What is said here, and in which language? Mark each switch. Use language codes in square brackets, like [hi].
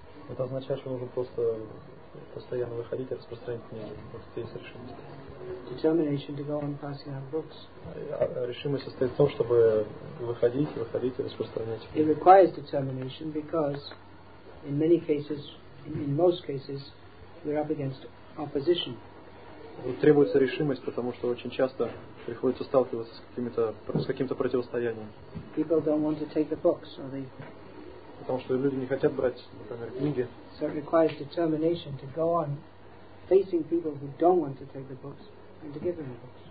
[ru] Это означает, что нужно просто постоянно выходить и распространять книги. Вот это есть решимость. [en] Determination to go on passing out books. [ru] Решимость состоит в том, чтобы выходить и распространять книги. [en] It requires determination because in many cases, in most cases, we're up against opposition. [ru] Требуется решимость, потому что очень часто приходится сталкиваться с каким-то противостоянием. [en] People don't want to take the books, or they. [ru] Потому что люди не хотят брать, например, книги. [en] So it requires determination to go on facing people who don't want to take the books and to give them the books.